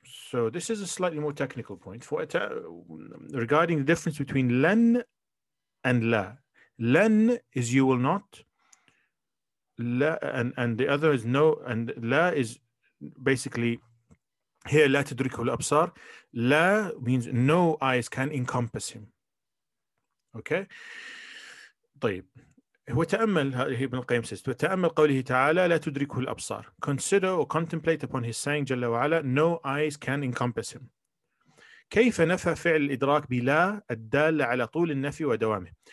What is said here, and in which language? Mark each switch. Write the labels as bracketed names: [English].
[English] So this is a slightly more technical point for regarding the difference between len and la. Len is you will not. La, and the other is no. And la is basically here, la tudrikhu al-absar. La means no eyes can encompass him. Okay? طيب. [Arabic] وتأمل ابن القيم says وتأمل قوله تعالى لا تدركه الأبصار. [English] Consider or contemplate upon his saying جل وعلا no eyes can encompass him. [Arabic] كيف نفى فعل الإدراك بلا الدالة على طول النفي ودوامه.